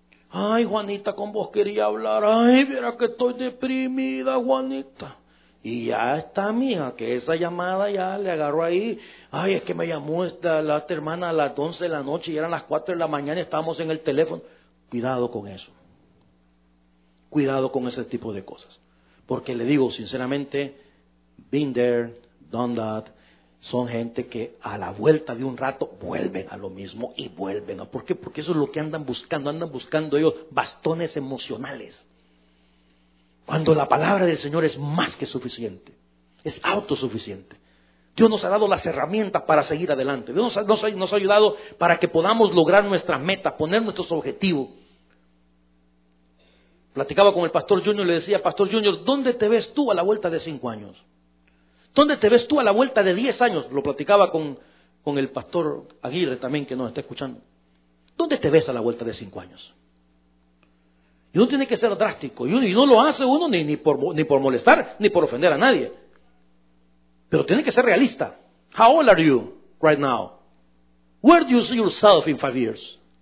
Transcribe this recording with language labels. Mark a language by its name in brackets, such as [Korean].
[Spanish] Ay, Juanita, con vos quería hablar. Ay, mira que estoy deprimida, Juanita. Y ya está, mija, que esa llamada ya le agarró ahí. Ay, es que me llamó la otra hermana a las 11 de la noche y eran las 4 de la mañana y estábamos en el teléfono. Cuidado con eso. Cuidado con ese tipo de cosas. Porque le digo sinceramente, [English] been there, done that. [Spanish] Son gente que a la vuelta de un rato vuelven a lo mismo y vuelven. ¿Por qué? Porque eso es lo que andan buscando ellos bastones emocionales. Cuando la palabra del Señor es más que suficiente, es autosuficiente. Dios nos ha dado las herramientas para seguir adelante. Dios nos ha ayudado para que podamos lograr nuestras metas, poner nuestros objetivos. Platicaba con el Pastor Junior y le decía, Pastor Junior, ¿dónde te ves tú a la vuelta de 5 años? ¿Dónde te ves tú a la vuelta de 10 años? Lo platicaba con el pastor Aguirre también que nos está escuchando. ¿Dónde te ves a la vuelta de 5 años? Y uno tiene que ser drástico. Y uno y no lo hace uno ni por molestar, ni por ofender a nadie. Pero tiene que ser realista. [English] How old are you right now? Where do you see yourself in 5 years?